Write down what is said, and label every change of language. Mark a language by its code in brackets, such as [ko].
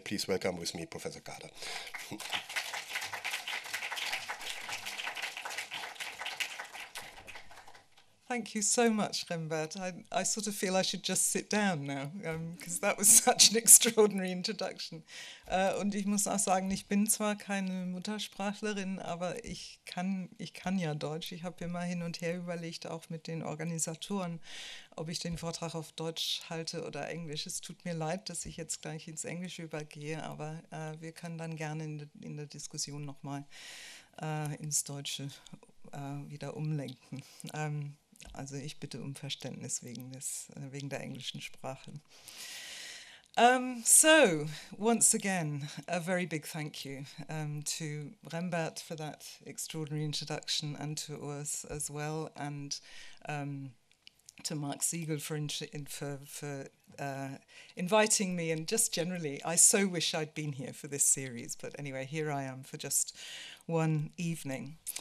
[en] Please welcome with me Professor Carter. Thank you so much, Rembert. I sort of feel I should just sit down now, because that was such an extraordinary introduction. [de] Und ich muss auch sagen, ich bin zwar keine Muttersprachlerin, aber ich kann ja Deutsch. Ich habe immer hin und her überlegt, auch mit den Organisatoren, ob ich den Vortrag auf Deutsch halte oder Englisch. Es tut mir leid, dass ich jetzt gleich ins Englische übergehe, aber wir können dann gerne in der Diskussion nochmal ins Deutsche wieder umlenken. Also ich bitte um Verständnis wegen der englischen Sprache. [en] So, once again, a very big thank you to Rembert for that extraordinary introduction and to us as well, and to Mark Siegel for inviting me, and just generally, I so wish I'd been here for this series, but anyway, here I am for just one evening.